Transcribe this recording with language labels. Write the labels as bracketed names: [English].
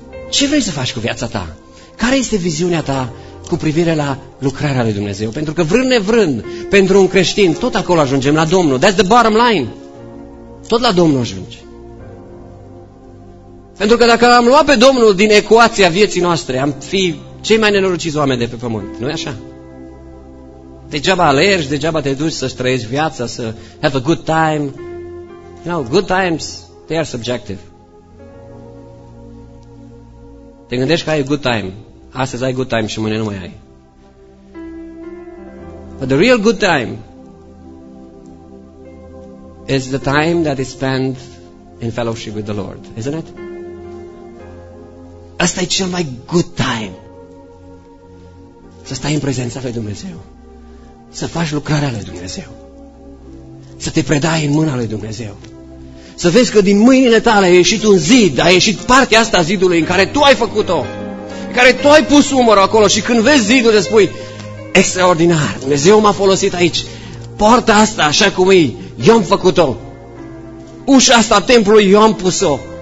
[Romanian] Ce vrei să faci cu viața ta? Care este viziunea ta cu privire la lucrarea lui Dumnezeu? Pentru că vrând nevrând, pentru un creștin, tot acolo ajungem la Domnul. [English] That's the bottom line. [Romanian] Tot la Domnul ajunge. Pentru că dacă am luat pe Domnul din ecuația vieții noastre, am fi cei mai nenorociți oameni de pe pământ. Nu-i așa? Degeaba alergi, degeaba te duci să-ți trăiești viața, să [English] have a good time. You know, good times, they are subjective. [Romanian] Te gândești că ai [English] a good time. [Romanian] Astăzi ai [English] good time [Romanian] și mâine nu mai ai. [English] But the real good time is the time that is spent in fellowship with the Lord, isn't it? [Romanian] Asta e cel mai [English] good time. [Romanian] Să stai în prezența lui Dumnezeu. Să faci lucrarea lui Dumnezeu. Să te predai în mâna lui Dumnezeu. Să vezi că din mâinile tale a ieșit un zid, a ieșit partea asta zidului în care tu ai făcut-o, în care tu ai pus umărul acolo și când vezi zidul te spui, extraordinar, Dumnezeu m-a folosit aici, poarta asta așa cum e, eu am făcut-o, ușa asta templului eu am pus-o,